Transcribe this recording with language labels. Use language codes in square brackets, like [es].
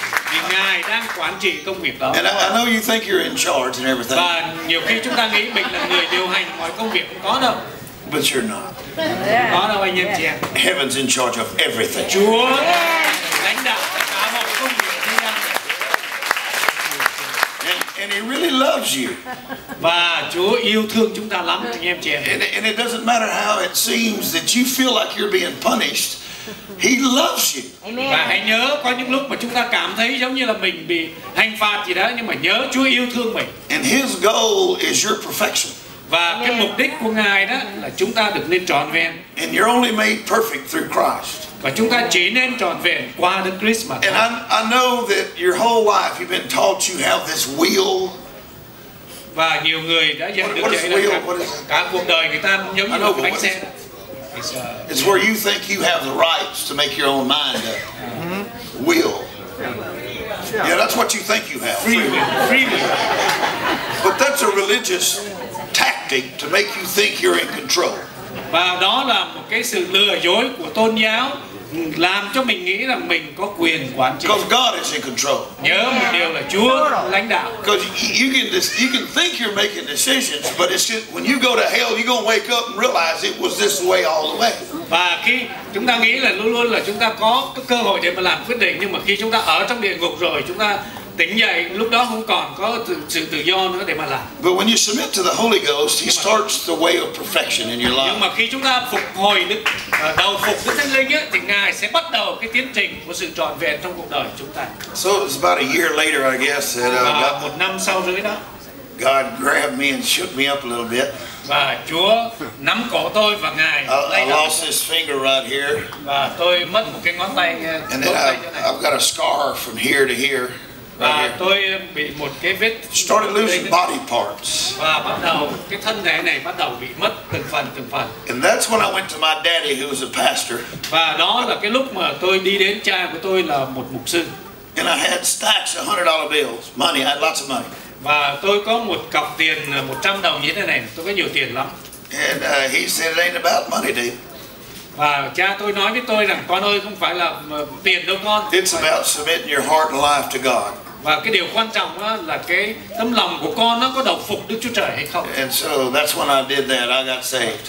[vi] Vì Ngài đang quản trị công việc đó. [en] And I know you think you're in charge and everything. [vi] Và nhiều khi chúng ta nghĩ mình là người điều hành mọi công việc cũng có đâu. [en] But you're not. [vi] Yeah. Có đâu anh em chị em. [en] Heaven's in charge of everything. [vi] Chúa lãnh đạo cả mọi công việc thế gian. [en] And He really loves you. [vi] Và Chúa yêu thương chúng ta lắm anh em chị em. [en] And it doesn't matter how it seems that you feel like you're being punished. He loves you. Amen. [vi] Và hãy nhớ có những lúc mà chúng ta cảm thấy giống như là mình bị hành phạt gì đó, nhưng mà nhớ Chúa yêu thương mình. [en] And His goal is your perfection. [vi] Và cái mục đích của Ngài đó là chúng ta được nên trọn vẹn. [en] And you're only made perfect through Christ. [vi] Và chúng ta chỉ nên trọn vẹn qua Đức Christ mà thôi. [en] And I know that your whole life you've been taught you have this will. [vi] Và nhiều người đã dạy được cái này cả cuộc đời người ta giống như một bánh xe. [en] It's where you think you have the rights to make your own mind up. Will. Yeah, that's what you think you have. Freely. But that's a religious tactic to make you think you're in control. [vi] Và đó là một cái sự lừa dối của tôn giáo làm cho mình nghĩ rằng mình có quyền quản trị. [en] Because God is in control. [vi] Nhớ một điều là Chúa lãnh đạo. [en] Because you can think you're making decisions, but it's just when you go to hell, you're gonna wake up and realize it was this way all the way. [vi] Và khi chúng ta nghĩ là luôn luôn là chúng ta có cơ hội để mà làm quyết định, nhưng mà khi chúng ta ở trong địa ngục rồi, chúng ta tỉnh dậy lúc đó không còn có sự tự do nữa để mà làm. [en] But when you submit to the Holy Ghost, He starts the way of perfection in your life. [vi] Nhưng mà khi chúng ta phục hồi đức, đầu phục Đức Thánh Linh á, thì Ngài sẽ bắt đầu cái tiến trình của sự trọn vẹn trong cuộc đời chúng ta. [en] So it was about a year later, I guess, that [vi] một năm sau rưỡi đó, [en] God grabbed me and shook me up a little bit. [vi] Và Chúa nắm cổ tôi và Ngài. [en] I lost his finger right here. [vi] Và tôi mất một cái ngón tay. [en] And then I've got a scar from here to here. [vi] Và tôi bị một cái vết. [en] Started losing body parts. [vi] Và bắt đầu cái thân thể này bắt đầu bị mất từng phần. [en] And that's when I went to my daddy, who was a pastor. [vi] Và đó là cái lúc mà tôi đi đến cha của tôi là một mục sư. [en] And I had stacks of $100 bills, money. I had lots of money. [vi] Và tôi có một cọc tiền $100 như thế này, tôi có nhiều tiền lắm. [en] And he said it ain't about money, Dave. [vi] Và cha tôi nói với tôi rằng, con ơi, không phải là tiền đâu con. [en] It's about submitting your heart and life to God. [vi] Và cái điều quan trọng đó là cái tấm lòng của con nó có đầu phục Đức Chúa Trời hay không. [en] And so that's when I did that, I got saved.